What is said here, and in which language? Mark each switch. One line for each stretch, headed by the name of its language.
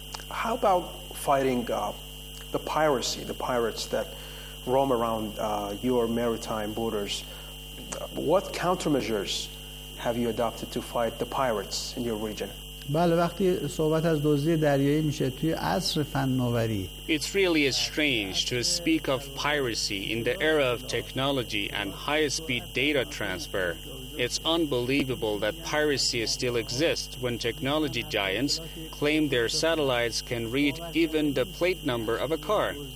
English: How about fighting the piracy, the pirates that roam around your maritime borders? What countermeasures have you adopted to fight the pirates in your region?
Persian: بله وقتی صحبت از دزدی دریایی میشه توی عصر فناوری
English: It's really strange to speak of piracy in the era of technology and high-speed data transfer. It's unbelievable that piracy still exists when technology giants claim their satellites can read even the plate number of a car.